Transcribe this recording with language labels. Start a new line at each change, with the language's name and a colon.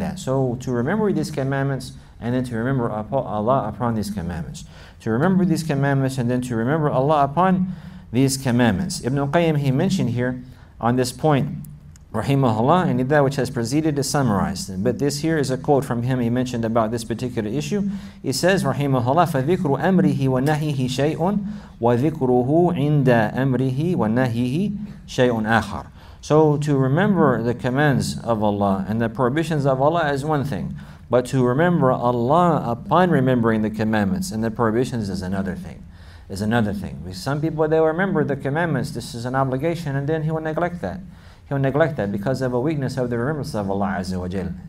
English: So to remember these commandments, and then to remember Allah upon these commandments. To remember these commandments, and then to remember Allah upon these commandments. Ibn Qayyim, he mentioned here on this point, rahimahullah, and that which has preceded is summarized. But this here is a quote from him. He mentioned about this particular issue. He says,
Arabic: rahimahullah, فَذِكْرُ أَمْرِهِ وَنَهِهِ شَيْءٌ وَذِكْرُهُ عِنْدَ أَمْرِهِ وَنَهِهِ شَيْءٌ آخَرٌ.
English: So to remember the commands of Allah and the prohibitions of Allah is one thing, but to remember Allah upon remembering the commandments and the prohibitions is another thing. Because some people, they remember the commandments, this is an obligation, and then he will neglect that because of a weakness of the remembrance of Allah Azza wa Jal.